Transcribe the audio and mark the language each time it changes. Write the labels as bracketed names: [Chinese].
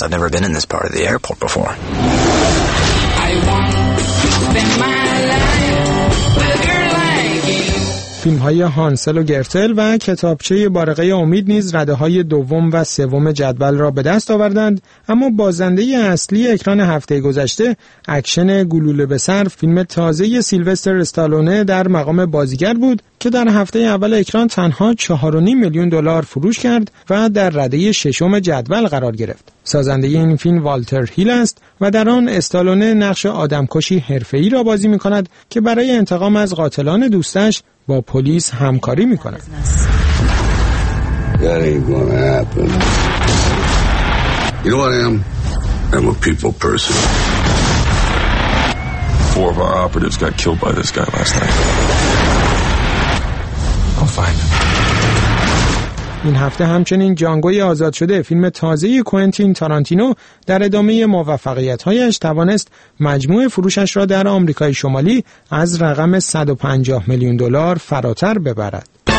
[English] I've never been in this part of the airport before. I want to spend my life with your life. [Persian] فیلم‌های هانسل و گرتل و کتابچه بارقه امید نیز رده‌های دوم و سوم جدول را به دست آوردند، اما بازنده اصلی اکران هفته گذشته اکشن گلوله به سر فیلم تازه سیلوستر استالونه در مقام بازیگر بود که در هفته اول اکران تنها 4.5 میلیون دلار فروش کرد و در رده ششم جدول قرار گرفت. سازنده این فیلم والتر هیل است و در آن استالونه نقش آدمکشی حرفه‌ای را بازی می‌کند که برای انتقام از قاتلان دوستش با پلیس همکاری می‌کند. [English] That ain't gonna happen. You know what I am? I'm a people person. Four of our operatives got killed by this guy last night. I'll find him. [Persian] این هفته همچنین جانگوی آزاد شده فیلم تازه کوئنتین تارانتینو در ادامه موفقیت‌هایش توانست مجموع فروشش را در آمریکای شمالی از رقم 150 میلیون دلار فراتر ببرد.